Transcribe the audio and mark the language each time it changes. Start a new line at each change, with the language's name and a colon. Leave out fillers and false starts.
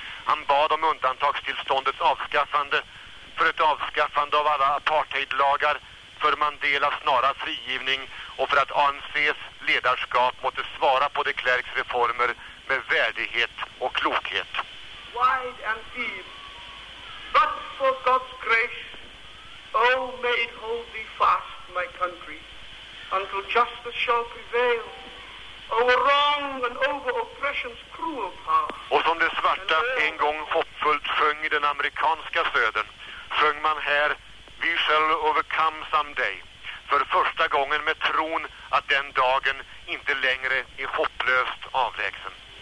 Swedish: Han bad om undantagstillståndets avskaffande, för ett avskaffande av alla apartheidlagar, för Mandelas snara frigivning och för att ANC:s ledarskap måtte svara på de Klerks reformer med värdighet och klokhet.
English: Wide and deep, but for God's grace, oh, may it hold thee fast, my country, until justice shall prevail over wrong and over oppression's cruel power.
Swedish: Och som det svarta en gång hoppfullt sjöng i den amerikanska södern, sjöng man här,
English: we shall overcome someday.
Swedish: För första gången med tron att den dagen inte längre är hopplöst avlägsen.